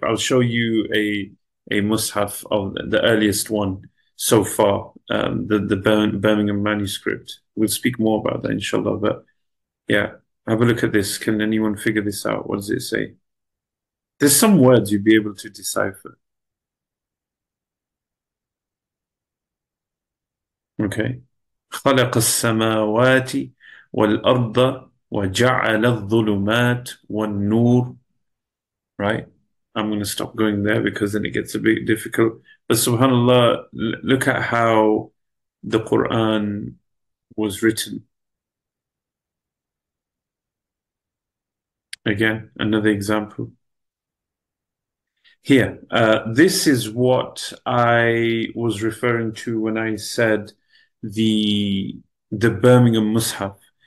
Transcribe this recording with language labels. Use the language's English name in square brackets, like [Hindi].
[English] I'll show you a mus'haf of the earliest one so far, the Birmingham manuscript. We'll speak more about that, inshallah. But yeah, have a look at this. Can anyone figure this out? What does it say? There's some words you'd be able to decipher. Okay. [Arabic] خَلَقَ السَّمَاوَاتِ والأرض وجعل الظلمات والنور, [English] right? I'm going to stop going there because then it gets a bit difficult. But subhanAllah, look at how the Quran was written. Again, another example. Here, this is what I was referring to when I said the Birmingham Mus'haf.